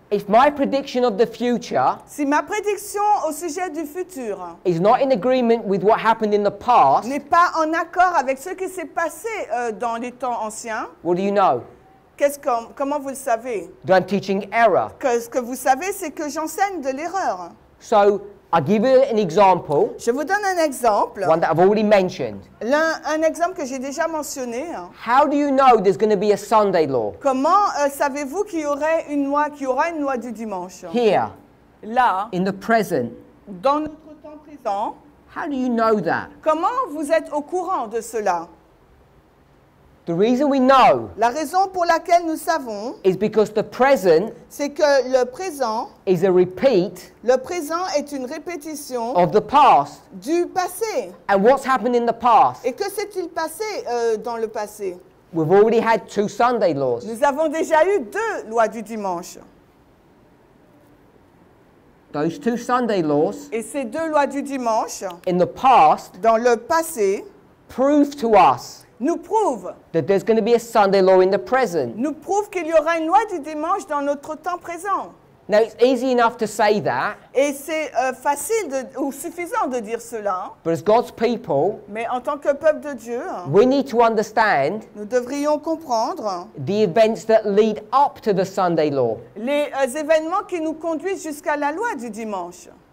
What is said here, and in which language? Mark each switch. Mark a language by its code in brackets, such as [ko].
[en] If my prediction of the future, [fr] si ma prédiction au sujet du futur, [en] is not in agreement with what happened in the past, [fr] n'est pas en accord avec ce qui s'est passé dans les temps anciens, [en] what do you know? [fr] Comment vous le savez? [en] That I'm teaching error. [fr] Ce que vous savez, c'est que j'enseigne de l'erreur. [en] So, I'll give you an example. [fr] Je vous donne un exemple. [en] One that I've already mentioned. [fr] Un exemple que j'ai déjà mentionné. [en] How do you know there's going to be a Sunday law? [fr] Comment savez-vous qu'il y aura une loi du dimanche? [en] Here. [fr] Là. [en] In the present. [fr] Dans notre temps présent. [en] How do you know that? [fr] Comment vous êtes au courant de cela? [en] The reason we know. [fr] La raison pour laquelle nous savons. [en] Is because the present. [fr] C'est que le présent. [en] Is a repeat. [fr] Le présent est une répétition. [en] Of the past. [fr] Du passé. [en] And what's happened in the past. [fr] Et que s'est-il passé dans le passé? [en] We've already had two Sunday laws. [fr] Nous avons déjà eu deux lois du dimanche. [en] Those two Sunday laws, [fr] et ces deux lois du dimanche, [en] in the past, [fr] dans le passé, [en] prove to us, [fr] nous prouve, [en] that there's going to be a Sunday law in the present. [fr] Nous prouve qu'il y aura une loi du dimanche dans notre temps présent. [en] Now it's easy enough to say that. [fr] Et c'est facile de, ou suffisant de dire cela. [en] But as God's people, [fr] mais en tant que peuple de Dieu, [en] we need to understand, [fr] nous devrions comprendre, [en] the events that lead up to the Sunday law. [fr] Les événements qui nous conduisent jusqu'à la loi du dimanche.